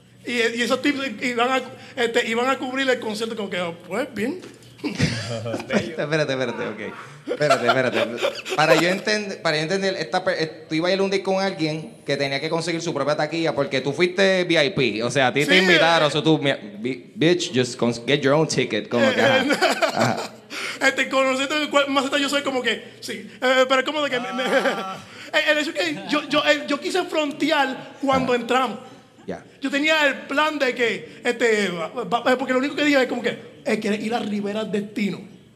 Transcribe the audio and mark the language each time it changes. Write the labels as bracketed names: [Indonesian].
[Spanish] Y esos tips iban a cubrir el concierto, como que pues bien. espérate, okay. Espérate. Para yo entender, tú ibas a ir un date con alguien que tenía que conseguir su propia taquilla porque tú fuiste VIP. O sea, a ti sí, te invitaron. O sea, tú, [English] bitch, just get your own ticket. [Spanish] Como que, ajá. Conociendo cuál maceta yo soy, como que, sí. Pero como de que. El hecho que yo quise frontear cuando entramos. [English] Yeah. [Spanish] Yo tenía el plan de que, porque lo único que dije es como que, quieres ir a Rivera Destino.